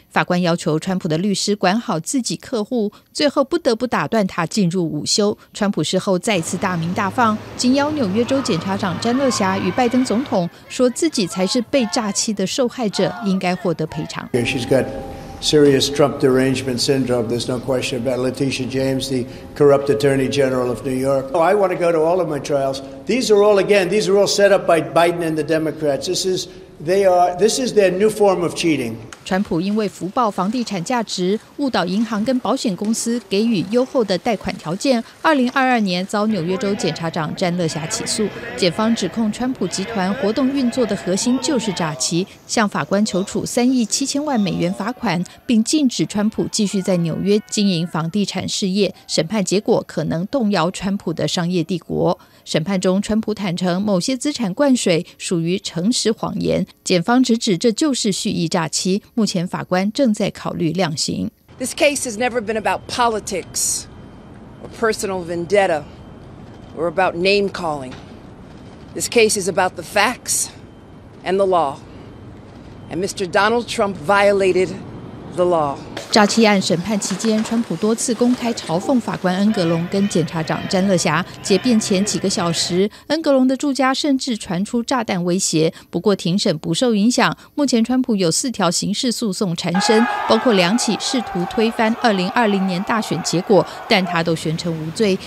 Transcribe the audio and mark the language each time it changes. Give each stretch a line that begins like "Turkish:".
Chinese: 法官要求川普的律师管好自己客户，最后不得不打断他进入午休。川普事后再次大鸣大放，紧邀纽约州检察长詹乐霞与拜登总统，说自己才是被诈欺的受害者，应该获得赔偿。
English: She's got serious Trump derangement syndrome. There's no question about Letitia James, the corrupt Attorney General of New York. Oh, I want to go to all of my trials. These are all set up by Biden and the Democrats. This is their new form of cheating.
Chinese: 川普因为福报房地产价值，误导银行跟保险公司给予优厚的贷款条件，2022年遭纽约州检察长詹乐霞起诉。检方指控川普集团活动运作的核心就是诈欺，向法官求处$37,000,000罚款，并禁止川普继续在纽约经营房地产事业。审判结果可能动摇川普的商业帝国。审判中，川普坦承某些资产灌水属于诚实谎言，检方直指这就是蓄意诈欺。目前法官正在考虑量刑。
English: This case has never been about politics or personal vendetta or about name calling. This case is about the facts and the law. And Mr. Donald Trump violated the law.
Chinese: 诈欺案审判期间，川普多次公开嘲讽法官恩格隆跟检察长詹乐霞。结辩前几个小时，恩格隆的住家甚至传出炸弹威胁。不过庭审不受影响。目前川普有四条刑事诉讼缠身，包括两起试图推翻2020年大选结果，但他都宣称无罪。